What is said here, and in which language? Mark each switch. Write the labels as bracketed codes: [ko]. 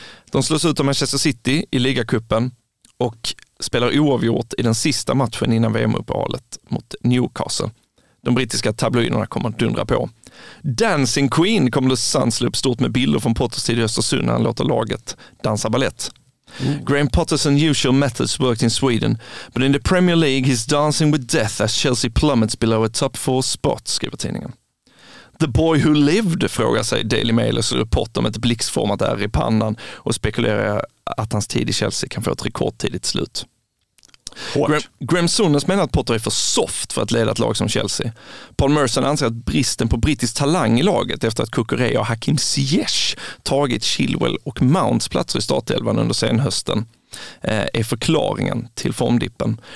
[sv] De slås ut av Manchester City i ligacupen och spelar oavgjort i den sista matchen innan VM-uppehållet mot Newcastle. De brittiska tabloiderna kommer att dundra på. Dancing Queen kommer att sansla upp stort med bilder från Potters tid i Östersund när han låter laget dansa ballett. Mm. [en] Graham Potter's unusual methods worked in Sweden, but in the Premier League he's dancing with death as Chelsea plummets below a top four spot, [sv] skriver tidningen. [en] The boy who lived, [sv] frågar sig Daily Mail och slår Potter med ett blixtformat ärr i pannan och spekulerar att hans tid i Chelsea kan få ett rekordtidigt slut. Graham Souness menar att Potter är för soft för att leda ett lag som Chelsea. Paul Merson anser att bristen på brittisk talang i laget efter att Kukurea och Hakim Ziyech tagit Chilwell och Mounts plats i startelvan under senhösten är förklaringen till formdippen.